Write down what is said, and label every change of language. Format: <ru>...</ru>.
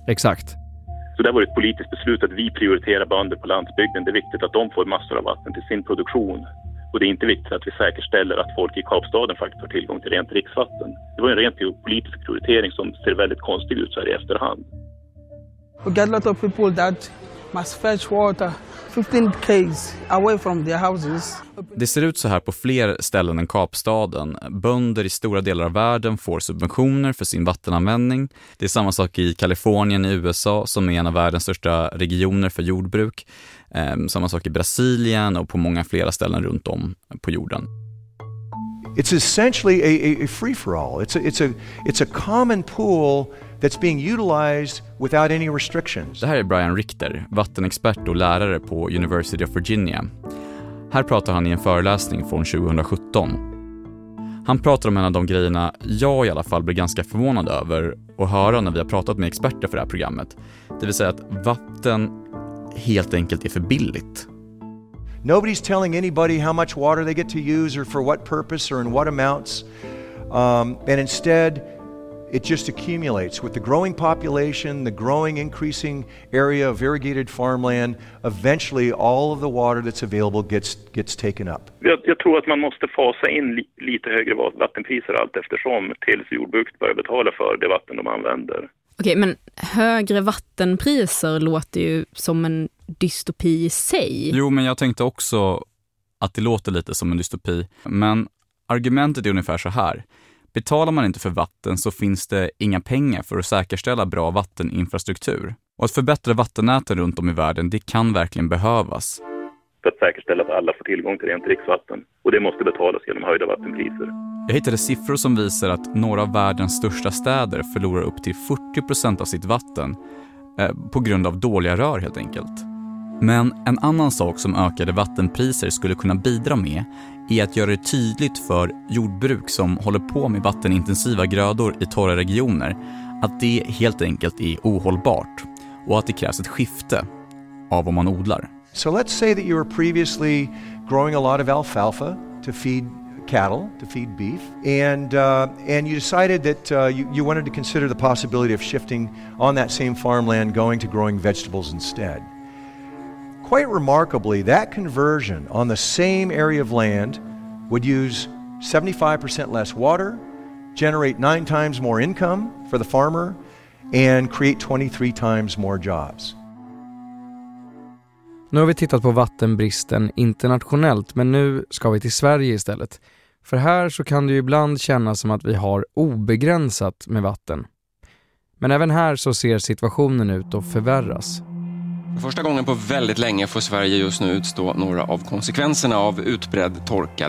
<sv>Exakt. Så det har varit ett politiskt beslut att vi prioriterar bönder på landsbygden. Det är viktigt att de får massor av vatten till sin produktion. Och det är inte viktigt att vi säkerställer att folk i Kapstaden faktiskt har tillgång till rent dricksvatten. Det var en rent politisk prioritering som ser väldigt konstig ut så här i efterhand.</sv> <en>We got a lot of people that must fetch water 15 k's away from their houses.</en> <sv>Det ser ut så här på fler ställen än Kapstaden. Bönder i stora delar av världen får subventioner för sin vattenanvändning. Det är samma sak i Kalifornien i USA som är en av världens största regioner för jordbruk. Samma sak i Brasilien och på många flera ställen runt om på jorden.</sv> <en>It's essentially a free for all. It's a common pool that's being utilized without any restrictions.</en> <sv>Det här är Brian Richter, vattenexpert och lärare på University of Virginia. Här pratar han i en föreläsning från 2017. Han pratar om en av de grejerna jag i alla fall blir ganska förvånad över och höra när vi har pratat med experter för det här programmet. Det vill säga att vatten helt enkelt är för billigt.</sv> <en>Nobody's telling anybody how much water they get to use or for what purpose or in what amounts. And instead it just accumulates with the growing population, the growing increasing area of irrigated farmland, eventually all of the water that's available gets taken up.</en> <sv>Jag tror att man måste fasa in lite högre vattenpriser allt eftersom tills jordbruket börjar betala för det vatten de använder. Okej, men högre vattenpriser låter ju som en dystopi i sig. Jo, men jag tänkte också att det låter lite som en dystopi. Men argumentet är ungefär så här. Betalar man inte för vatten så finns det inga pengar för att säkerställa bra vatteninfrastruktur. Och att förbättra vattennäten runt om i världen, det kan verkligen behövas. För att säkerställa att alla får tillgång till rent dricksvatten. Och det måste betalas genom höjda vattenpriser. Jag hittade siffror som visar att några av världens största städer förlorar upp till 40% av sitt vatten på grund av dåliga rör helt enkelt. Men en annan sak som ökade vattenpriser skulle kunna bidra med är att göra det tydligt för jordbruk som håller på med vattenintensiva grödor i torra regioner att det helt enkelt är ohållbart och att det krävs ett skifte av vad man odlar.</sv> <en>So let's say that you were previously growing a lot of alfalfa to feed cattle, to feed beef, and you decided that you wanted to consider the possibility of shifting on that same farmland going to growing vegetables instead. Quite remarkably, that conversion on the same area of land would use 75% less water, generate 9 times more income for the farmer, and create 23 times more jobs.</en> <sv>Nu har vi tittat på vattenbristen internationellt, men nu ska vi till Sverige istället. För här så kan det ju ibland kännas som att vi har obegränsat med vatten. Men även här så ser situationen ut att förvärras. För första gången på väldigt länge får Sverige just nu utstå några av konsekvenserna av utbredd torka.</sv>